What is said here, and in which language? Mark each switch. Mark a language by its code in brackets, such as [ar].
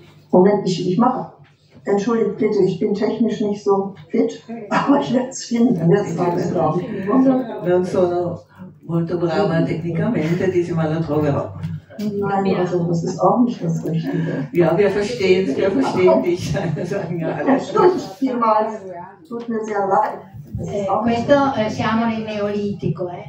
[de] Moment, ich mache. Entschuldigt bitte, ich bin technisch nicht so fit, aber ich werde es finden. Jetzt habe ich es drauf. [it] Non sono molto brava tecnicamente, [de] diesmal [it] lo troverò. [de] Nein, also das ist auch nicht das Richtige. Ja, wir verstehen dich. Entschuldigt vielmals. Tut mir sehr leid. [it] Questo siamo nel Neolitico,